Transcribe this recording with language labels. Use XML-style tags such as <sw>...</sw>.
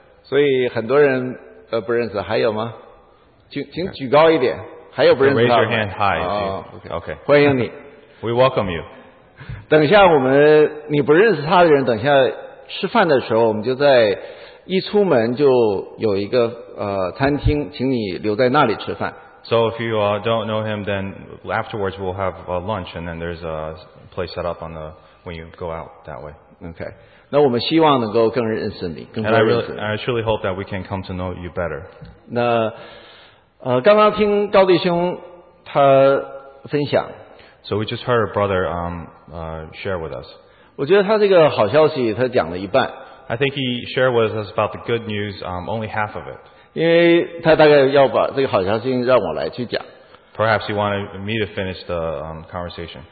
<zh>所以很多人不认识，还有吗？请举高一点，还有不认识</zh> <en>？Raise your hand high.</en> <zh>Okay. 欢迎你。</zh> <en>We welcome you.</en> <zh>等下我们你不认识他的人，等下吃饭的时候，我们就在一出门就有一个餐厅，请你留在那里吃饭。</zh> <en>So if you don't know him, then afterwards we'll have a lunch, and then there's a place set up when you go out that way. Okay.</en> <zh>那我们希望能够更认识你，更多认识。</zh> <en>And I truly hope that we can come to know you better.</en> <zh>那刚刚听高弟兄他分享。</zh> <en>So we just heard a brother share with us.</en> <zh>我觉得他这个好消息他讲了一半。</zh> <en>I think he shared with us about the good news only half of it.</en> <zh>因为他大概要把这个好消息让我来去讲。</zh> <en>Perhaps he wanted me to finish the conversation.</en>